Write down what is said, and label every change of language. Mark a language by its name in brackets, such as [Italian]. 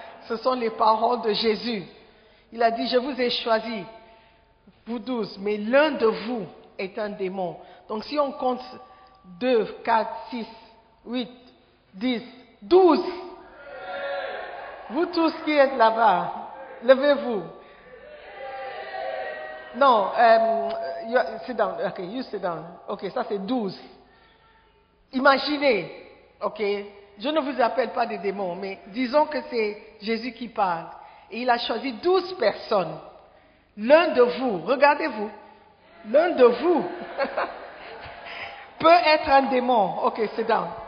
[French] Ce sont les paroles de Jésus. Il a dit, je vous ai choisi. Vous 12, mais l'un de vous est un démon. Donc si on compte 2, 4, 6, 8, 10, 12, vous tous qui êtes là-bas, levez-vous. [English] Non, sit down, ok, you sit down. [French] Ok, ça c'est 12. Imaginez, ok, je ne vous appelle pas des démons, mais disons que c'est Jésus qui parle. Et il a choisi 12 personnes. L'un de vous, regardez-vous, l'un de vous peut être un démon. [English] Ok, sit down.